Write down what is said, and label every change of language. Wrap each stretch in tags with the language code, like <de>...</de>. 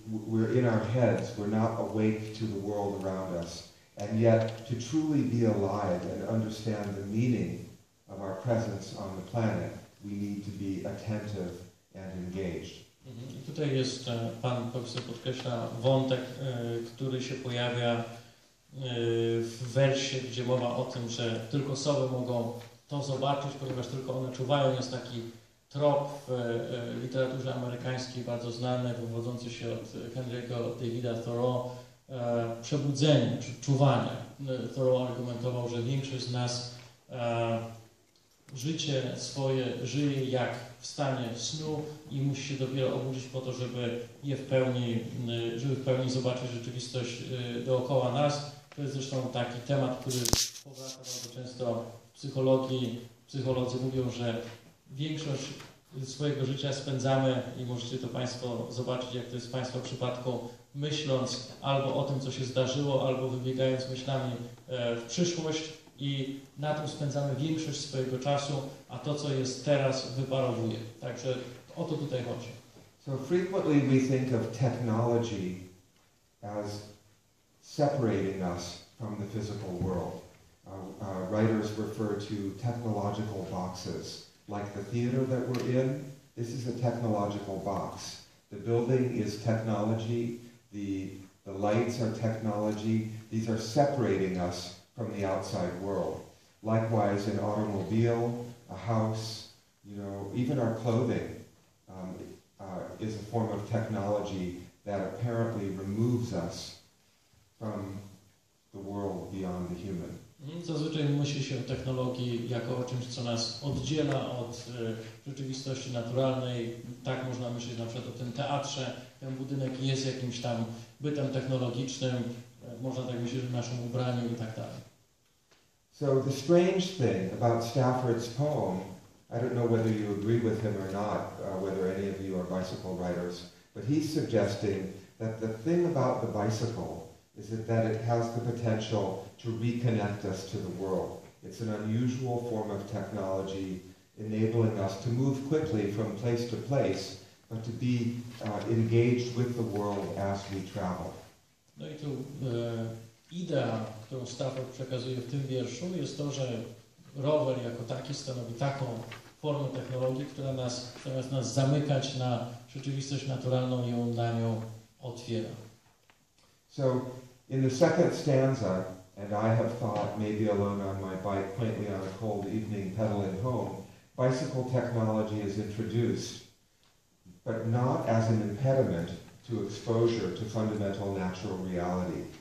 <en>We're in our heads. We're not awake to the world around us. And yet, to truly be alive and understand the meaning of our presence on the planet, we need to be attentive and engaged. Mm-hmm.</en> <pl>Tutaj jest, pan profesor podkreśla wątek, który się pojawia w wersie, gdzie mowa o tym, że tylko sowy mogą to zobaczyć, ponieważ tylko one czuwają. Jest taki trop w literaturze amerykańskiej, bardzo znany, wywodzący się od Henry'ego Davida Thoreau, przebudzenie, czy czuwanie. Thoreau argumentował, że większość z nas życie swoje żyje jak w stanie snu i musi się dopiero obudzić po to, żeby w pełni zobaczyć rzeczywistość dookoła nas. To jest zresztą taki temat, który powraca bardzo często w psychologii. Psycholodzy mówią, że większość swojego życia spędzamy, i możecie to Państwo zobaczyć, jak to jest w Państwa przypadku, myśląc albo o tym, co się zdarzyło, albo wybiegając myślami w przyszłość, i na tym spędzamy większość swojego czasu, a to, co jest teraz, wyparowuje. Także o to tutaj chodzi.</pl> <en>So frequently we think of technology as separating us from the physical world. Writers refer to technological boxes, like the theater that we're in. This is a technological box. The building is technology. The lights are technology. These are separating us from the outside world. Likewise, an automobile, a house, you know, even our clothing is a form of technology that apparently removes us from the world beyond the human.</en> <pl>Zazwyczaj myśli się o technologii jako o czymś, co nas oddziela od rzeczywistości naturalnej. Tak można myśleć na przykład o tym teatrze. Ten budynek jest jakimś tam bytem technologicznym. Można tak myśleć o naszym ubraniu i tak dalej.</pl> <en>So the strange thing about Stafford's poem, I don't know whether you agree with him or not, whether any of you are bicycle writers, but he's suggesting that the thing about the bicycle is it that it has the potential to reconnect us to the world. It's an unusual form of technology enabling us to move quickly from place to place, but to be engaged with the world as we travel.</en> <pl>No i tu idea, którą Stafford przekazuje w tym wierszu, jest to, że rower jako taki stanowi taką formę technologii, która nas, zamiast nas zamykać na rzeczywistość naturalną, ją na nią otwiera.</pl> <en>So, in the second stanza, and I have thought, maybe alone on my bike, quaintly on a cold evening, pedaling home, bicycle technology is introduced, but not as an impediment to exposure to fundamental natural reality.</en>